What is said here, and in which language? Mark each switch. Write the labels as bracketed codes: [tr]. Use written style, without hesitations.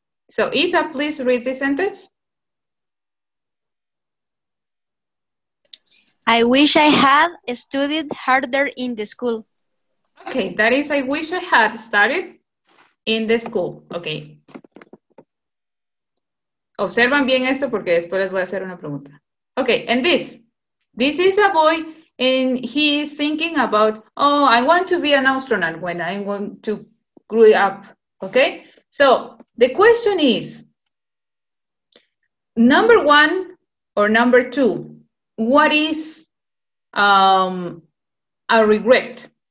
[en] So Isa, please read this sentence. I wish I had studied harder in the school. Okay, that is I wish I had studied in the school, okay. [es] Observan bien esto porque después les voy a hacer una pregunta. [en] Okay, and this is a boy and he is thinking about, oh, I want to be an astronaut when I want to grow up, okay? So, the question is, number one or number two, what is a regret?